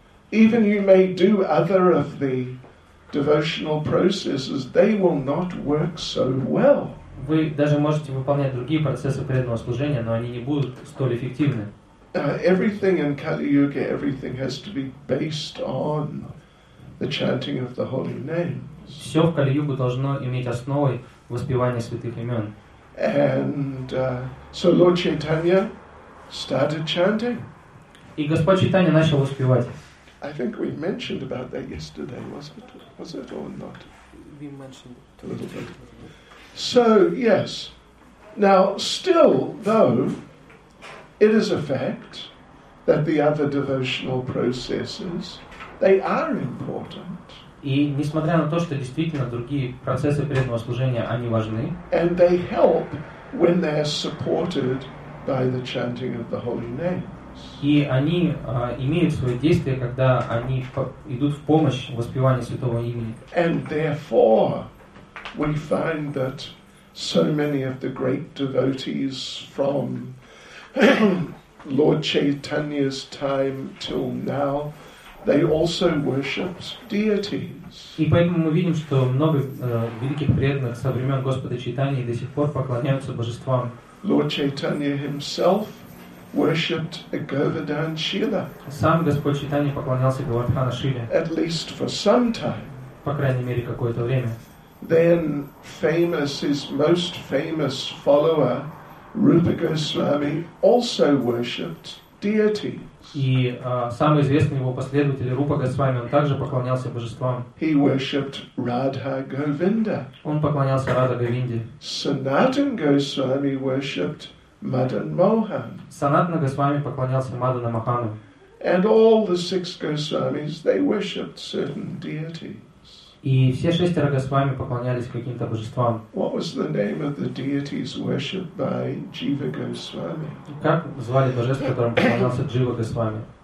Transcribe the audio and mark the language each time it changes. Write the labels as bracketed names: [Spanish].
[English] Even you may do other of the devotional processes, they will not work so well. [Russian] Вы даже можете выполнять другие процессы преданного служения, но они не будут столь эффективны. [English] Everything in Kali Yuga, everything has to be based on the chanting of the holy names. [Russian] Все в Кали Югу должно иметь основой воспевания святых имен. [English] And so Lord Chaitanya started chanting. [Russian] И Господь Чайтанья начал воспевать. [English] I think we mentioned about that yesterday, was it or not? We mentioned it a little bit. So yes. Now still though, it is a fact that the other devotional processes, they are important. [Russian] И несмотря на то, что действительно другие процессы преданного служения, они важны. [English] And they help when they are supported by the chanting of the holy names. [Russian] И они имеют свое действие, когда они идут в помощь в воспевании святого имени. [English] And therefore, we find that so many of the great devotees from Lord Chaitanya's time till now, they also worshipped deities. [Russian] И поэтому мы видим, что много великих преданных со времен Господа Чайтаньи до сих пор поклоняются божествам. [English] Lord Chaitanya himself worshipped a Govardhan Shila. [Russian] Сам Господь Чайтанья поклонялся Говардхана Шиле. [English] At least for some time. [Russian] По крайней мере какое-то время. [English] Then famous, his most famous follower, Rupa Goswami, also worshipped deities. [Russian] И самый известный его последователь Рупа Госвами, он также поклонялся божествам. [English] He worshipped Radha Govinda. [Russian] Он поклонялся Радха Говинде. [English] Sanatan Goswami worshipped Madan Mohan. [Russian] Санатана Госвами поклонялся Мадана Махану. [English] And all the six Goswamis, they worshipped certain deities. [Russian] И все шестеро Госвами поклонялись каким-то божествам. [English] What was the name of the deities worshipped by Jiva Goswami? [Russian] Как звали божество, которым поклонялся Джива Госвами?